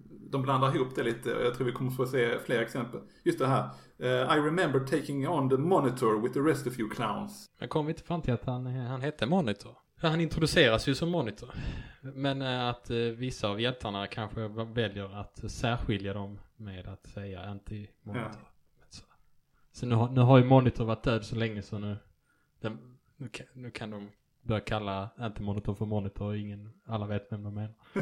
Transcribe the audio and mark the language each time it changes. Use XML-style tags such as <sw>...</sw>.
<sv>De blandar ihop det lite, och jag tror vi kommer få se fler exempel. Just det här.</sv> <en>I remember taking on the Monitor with the rest of you clowns.</en> <sv>Jag kom inte fram till att han hette Monitor. Han introduceras ju som Monitor. Men att vissa av hjältarna kanske väljer att särskilja dem med att säga Anti-Monitor. Ja. Så nu har ju Monitor varit död så länge, så nu kan de börja kalla Anti-Monitor för Monitor, och ingen, alla vet vem de menar.</sv>